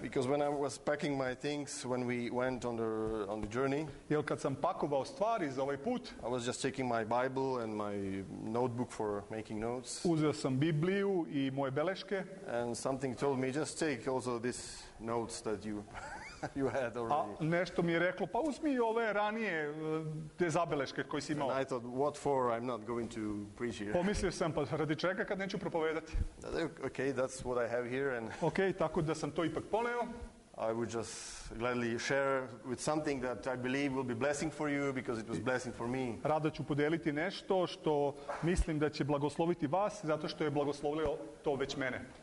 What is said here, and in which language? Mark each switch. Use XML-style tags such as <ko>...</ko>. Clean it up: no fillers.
<en>Because when I was packing my things when we went on the journey.</en> <sr>Jer kad sam pakovao stvari za ovaj put.</sr> <en>I was just taking my Bible and my notebook for making notes.</en> <sr>Uzeo sam Bibliju i moje beleške.</sr> <en>And something told me, just take also these notes that you had already.</en> <sr>A nešto mi je reklo, pa uzmi ove ranije te zabeleške koje si imao.</sr> <en>And I thought, what for? I'm not going to preach here.</en> <sr>Pomislio sam, pa radi čega kad neću propovedati.</sr> <en>Okay, that's what I have here. And</en> <sr>okay, tako da sam to ipak poneo.</sr> <en>I would just gladly share with something that I believe will be blessing for you because it was blessing for me.</en> <sr>Rado ću podeliti nešto što mislim da će blagosloviti vas zato što je blagoslovio to već mene.</sr>